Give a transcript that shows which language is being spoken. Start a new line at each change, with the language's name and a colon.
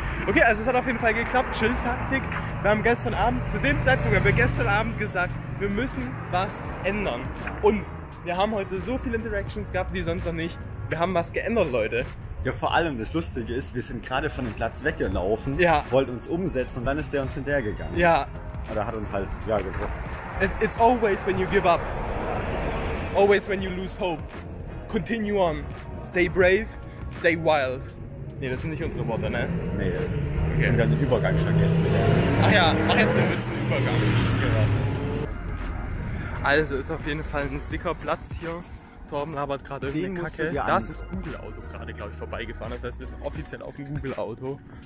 German: Okay, also es hat auf jeden Fall geklappt. Chill-Taktik. Wir haben gestern Abend, zu dem Zeitpunkt haben wir gestern Abend gesagt, wir müssen was ändern. Und wir haben heute so viele Interactions gehabt, wie sonst noch nicht. Wir haben was geändert, Leute. Ja, vor allem das Lustige ist, wir sind gerade von dem Platz weggelaufen, ja, wollten uns umsetzen und dann ist der uns hinterhergegangen. Ja. Oder hat uns halt, ja, gebrochen.
English: It's always when you give up, always when you lose hope, continue on, stay brave, stay wild.
German: Ne, das sind nicht unsere Worte, ne? Ne, okay. Wir haben den Übergang vergessen. Ach ja, mach jetzt den Witz, den Übergang. Also, ist auf jeden Fall ein sicker Platz hier. Torben labert gerade irgendeine Kacke. Das ist Google-Auto gerade, glaube ich, vorbeigefahren. Das heißt, wir sind offiziell auf dem Google-Auto.